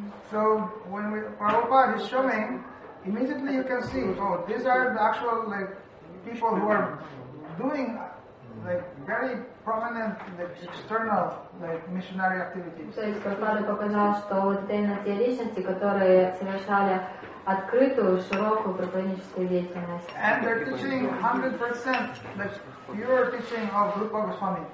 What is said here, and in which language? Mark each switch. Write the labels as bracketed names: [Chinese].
[English] So when we Prabhupada is showing, immediately you can see, oh, these are the actual like people who are doing like very prominent like external like missionary activities. [Russian] То есть Прабхупада показал, что вот именно те личности, которые совершали открытую, широкую проповедническую деятельность. [English] And they're teaching 100% like pure teaching of Rupa Goswami.